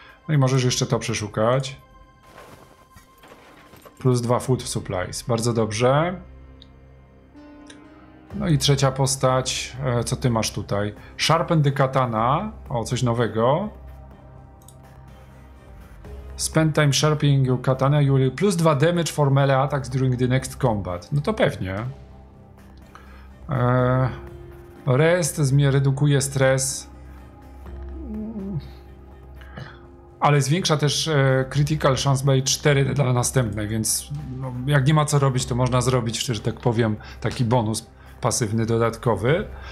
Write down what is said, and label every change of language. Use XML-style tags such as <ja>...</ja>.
<pl>No i możesz jeszcze to przeszukać. Plus 2 food supplies, bardzo dobrze. No i trzecia postać, co ty masz tutaj?</pl> <en>Sharpen the katana,</en> <pl>o, coś nowego.</pl> <en>Spend time sharpening your katana, you will plus 2 damage for melee attacks during the next combat.</en> <pl>No to pewnie. Rest mnie redukuje stres. Ale zwiększa też</pl> <en>critical chance by 4</en> <pl>dla następnej, więc no, jak nie ma co robić, to można zrobić, że tak powiem, taki bonus pasywny dodatkowy.</pl>